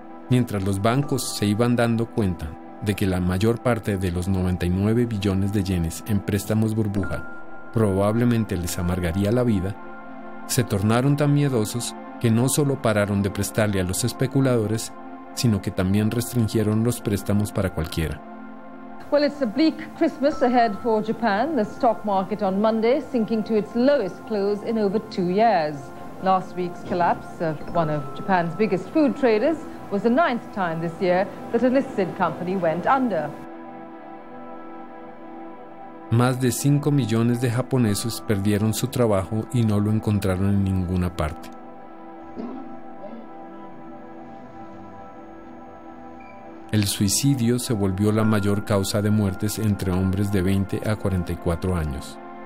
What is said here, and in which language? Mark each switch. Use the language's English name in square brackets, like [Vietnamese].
[Spanish] Mientras los bancos se iban dando cuenta de que la mayor parte de los 99 billones de yenes en préstamos burbuja probablemente les amargaría la vida, se tornaron tan miedosos que no solo pararon de prestarle a los especuladores, sino que también restringieron los préstamos para cualquiera. [English] Well, it's a bleak Christmas ahead for Japan. The stock market on Monday sinking to its lowest close in over 2 years. Last week's collapse of one of Japan's biggest food traders was the 9th time this year that a listed company went under. [Spanish] Más de 5 millones de japoneses perdieron su trabajo y no lo encontraron en ninguna parte. El suicidio se volvió la mayor causa de muertes entre hombres de 20 a 44 años.